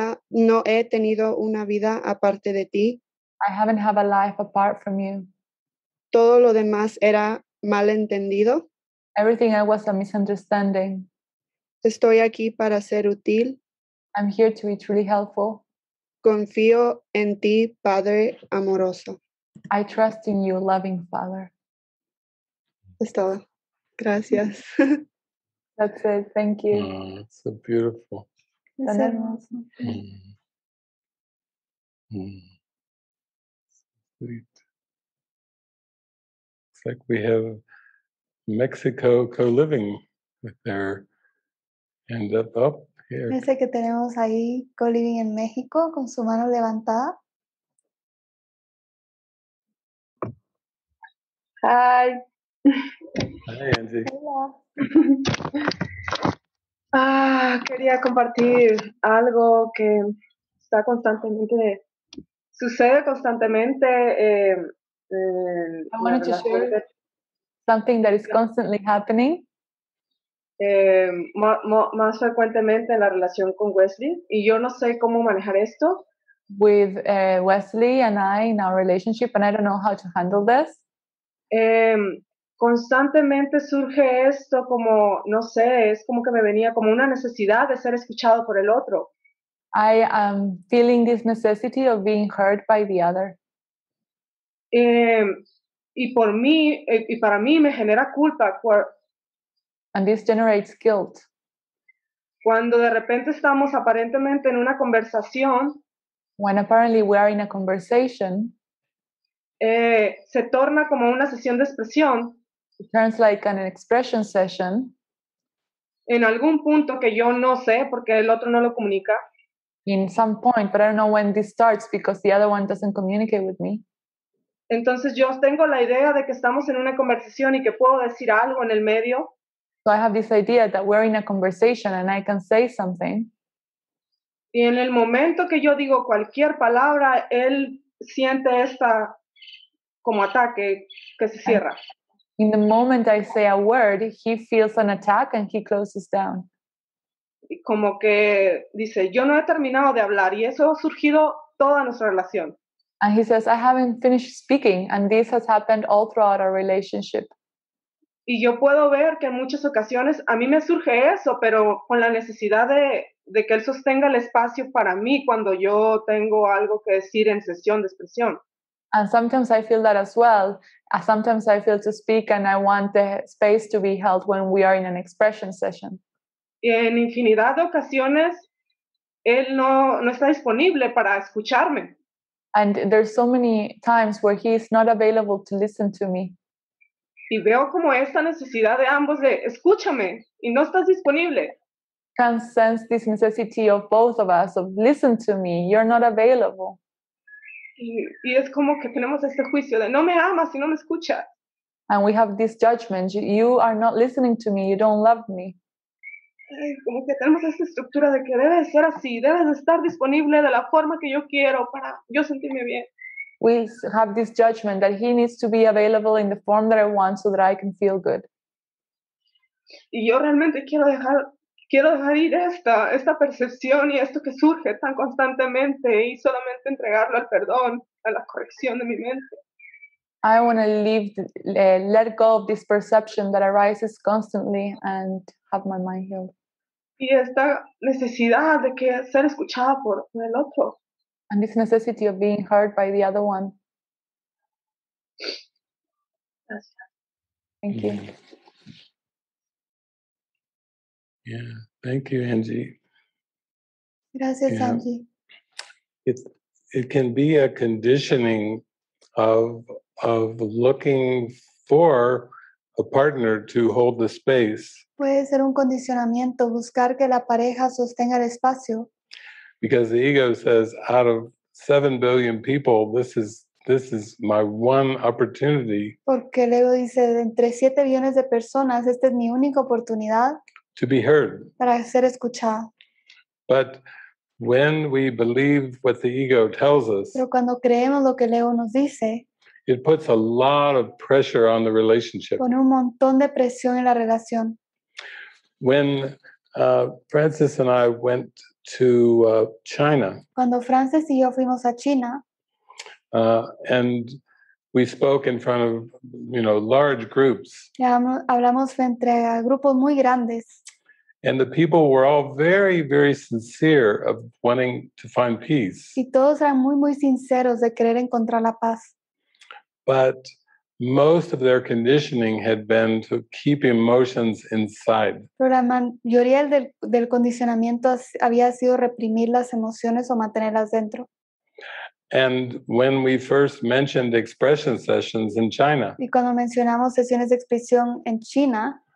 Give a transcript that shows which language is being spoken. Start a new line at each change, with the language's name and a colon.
Spanish: No he tenido una vida aparte de ti.
English: I haven't had a life apart from you.
Spanish: Todo lo demás era malentendido.
English: Everything I was a misunderstanding.
Spanish: Estoy aquí para ser útil.
English: I'm here to be truly helpful.
Spanish: Confío en ti, Padre amoroso.
English: I trust in you, loving Father.
Spanish: Es todo. Gracias.
English: That's it. Thank you. It's so beautiful.
Spanish: Es hermoso.
English: Sweet. It's like we have Mexico co-living with their hand up here.
Spanish: Parece que tenemos ahí co-living en México con su mano levantada.
English: Hi. Hi, Angie.
Spanish: Hola. Quería compartir algo que está constantemente, sucede constantemente.
English: I wanted to share something that is constantly happening.
Spanish: Más frecuentemente en la relación con Wesley. Y yo no sé cómo manejar esto.
English: With Wesley and I in our relationship, and I don't know how to handle this.
Spanish: Constantemente surge esto como, no sé, es como que me venía como una necesidad de ser escuchado por el otro.
English: I am feeling this necessity of being heard by the other.
Spanish: Y por mí, y para mí me genera culpa.
English: And this generates guilt.
Spanish: Cuando de repente estamos aparentemente en una conversación.
English: When apparently we are in a conversation.
Spanish: Se torna como una sesión de expresión.
English: It turns like an expression session.
Spanish: En algún punto que yo no sé porque el otro no lo comunica.
English: In some point, but I don't know when this starts because the other one doesn't communicate with me.
Spanish: Entonces yo tengo la idea de que estamos en una conversación y que puedo decir algo en el medio.
English: So I have this idea that we're in a conversation and I can say something.
Spanish: Y en el momento que yo digo cualquier palabra, él siente esta como ataque que se cierra.
English: In the moment I say a word, he feels an attack and he closes down.
Spanish: Como que dice, yo no he terminado de hablar y eso ha surgido toda nuestra relación.
English: And he says, I haven't finished speaking and this has happened all throughout our relationship.
Spanish: Y yo puedo ver que en muchas ocasiones a mí me surge eso, pero con la necesidad de que él sostenga el espacio para mí cuando yo tengo algo que decir en sesión de expresión.
English: And sometimes I feel that as well. Sometimes I feel to speak and I want the space to be held when we are in an expression session.
Spanish: Y en infinidad de ocasiones, él no está disponible para escucharme.
English: And there's so many times where he is not available to listen to me.
Spanish: Y veo como esta necesidad de ambos de escúchame y no estás disponible.
English: I can sense this necessity of both of us of listen to me, you're not available.
Spanish: Y es como que tenemos este juicio de no me amas y no me escuchas.
English: And we have this judgment, you are not listening to me, you don't love me.
Spanish: Como que tenemos esta estructura de que debe ser así, debes estar disponible de la forma que yo quiero para yo sentirme bien.
English: We have this judgment that he needs to be available in the form that I want so that I can feel good.
Spanish: Y yo realmente quiero dejar ir esta percepción y esto que surge tan constantemente y solamente entregarlo al perdón, a la corrección de mi mente.
English: I want to let go of this perception that arises constantly and have my mind healed.
Spanish: Y esta necesidad de que ser escuchada por el otro.
English: And this necessity of being heard by the other one.
Spanish: Gracias.
English: Thank you. Yeah, thank you, Angie.
Spanish: Gracias, yeah. Angie.
English: It can be a conditioning of looking for a partner to hold the space.
Spanish: Puede ser un condicionamiento, buscar que la pareja sostenga el espacio.
English: Because the ego says, out of 7 billion people, this is my one opportunity.
Spanish: Porque el ego dice, entre 7 billones de personas, esta es mi única oportunidad.
English: To be heard.
Spanish: Para ser escuchada.
English: But when we believe what the ego tells us,
Spanish: pero cuando creemos lo que el ego nos dice,
English: it puts a lot of pressure on the relationship.
Spanish: Pone un montón de presión en la relación.
English: When Francis and I went to China,
Spanish: cuando Francis y yo fuimos a China,
English: and we spoke in front of, you know, large groups.
Spanish: Hablamos entre grupos muy grandes.
English: And the people were all very, very sincere of wanting to find peace.
Spanish: Y todos eran muy, muy sinceros de querer encontrar la paz.
English: But most of their conditioning had been to keep emotions inside.
Spanish: Pero la mayoría del condicionamiento había sido reprimir las emociones o mantenerlas dentro.
English: And when we first mentioned expression sessions in China,
Spanish: y cuando mencionamos sesiones de expresión en China,